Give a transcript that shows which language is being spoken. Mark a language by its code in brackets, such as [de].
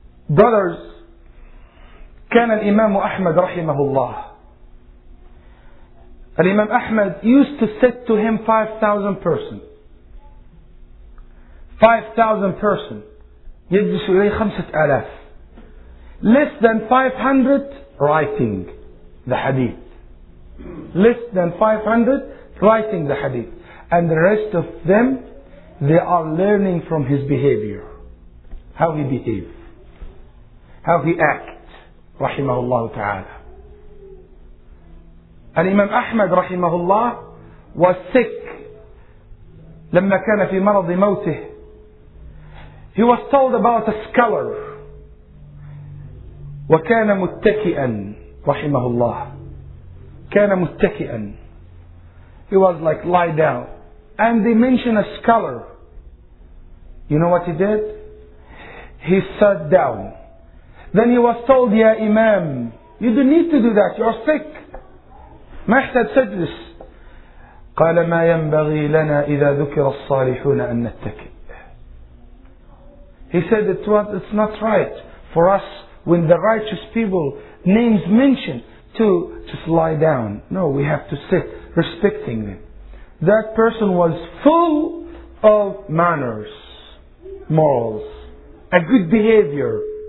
[ar] Brothers, كان الإمام أحمد رحمه الله. [en] Imam Ahmad used to sit to him 5,000 person. 5,000 person. [ar] يجلسوا إليه [en] 5,000. Less than 500 writing the hadith. Less than 500 writing the hadith. And the rest of them, they are learning from his behavior. How he behave. How he act. [ar] رحمه الله تعالى. الإمام أحمد رحمه الله [en] was sick. [ar] لما كان في مرض موته, [en] he was told about a scholar. [ar] وكان متكئا رحمه الله. كان متكئا. [en] He was like lie down. And they mentioned a scholar. You know what he did? He sat down. Then he was told, [ar] يا إمام, [en] you don't need to do that. You're sick. [ar] ما يحتاج تجلس. قال ما ينبغي لنا إذا ذكر الصالحون أن نتكئ. [en] He said it's not right for us when the righteous people names mentioned to just lie down. No, we have to sit respecting them. That person was full of manners, morals, a good behavior.